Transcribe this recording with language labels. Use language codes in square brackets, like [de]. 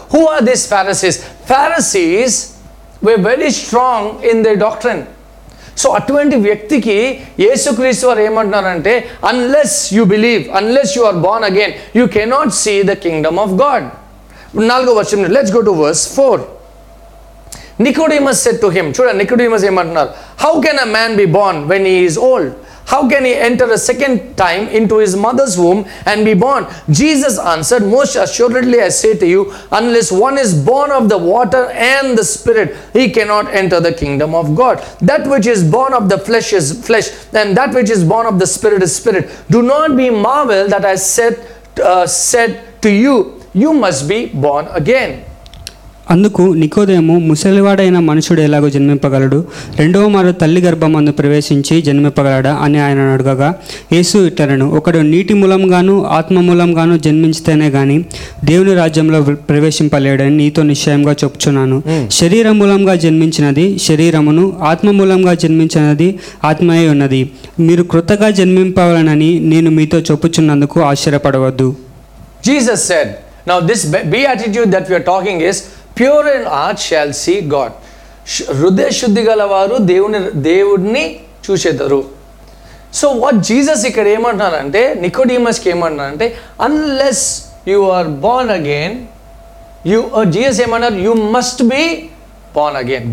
[en] Who are this Pharisees? Pharisees were very strong in the doctrine. So [te] అటువంటి వ్యక్తికి యేసుక్రీస్తు వారు ఏమంటున్నారంటే, [en] Unless you believe, unless you are born again, you cannot see the kingdom of God. [te] 4వ వచనం, [en] Let's go to verse 4. Nicodemus said to him, [te] chuda Nicodemus em antunnaru, [en] how can a man be born when he is old? How can he enter a second time into his mother's womb and be born? Jesus answered, most assuredly I say to you, unless one is born of the water and the spirit, he cannot enter the kingdom of God. That which is born of the flesh is flesh, and that which is born of the spirit is spirit. Do not be marvel that I said to you, you must be born again. [te] అందుకు నికోదేము, ముసలివాడైన మనుషుడు ఎలాగో జన్మింపగలడు? రెండవ మారు తల్లి గర్భమందు ప్రవేశించి జన్మింపగలడా అని ఆయన అడగగా యేసు ఇట్టారను, ఒకడు నీటి మూలంగాను ఆత్మ మూలంగాను జన్మించితేనే గాని దేవుని రాజ్యంలో ప్రవేశింపలేడని నీతో నిశ్చయంగా చెప్పుచున్నాను. శరీర మూలంగా జన్మించినది శరీరమును, ఆత్మ మూలంగా జన్మించినది ఆత్మయే ఉన్నది. మీరు కృతగా జన్మింపవలనని నేను మీతో చెప్పుచున్నందుకు ఆశ్చర్యపడవద్దు. [en] Jesus said. Now this beatitude that we are talking is, pure in heart shall see God. [te] Hrudaya shuddhi gala varu devudni chusedaru. [en] So what Jesus [te] ikkada em antunnaru ante, [en] Nicodemus [te] ki em antunnaru ante, [en] unless you are born again, Jesus [te] em antunnaru, [en] you must be born again.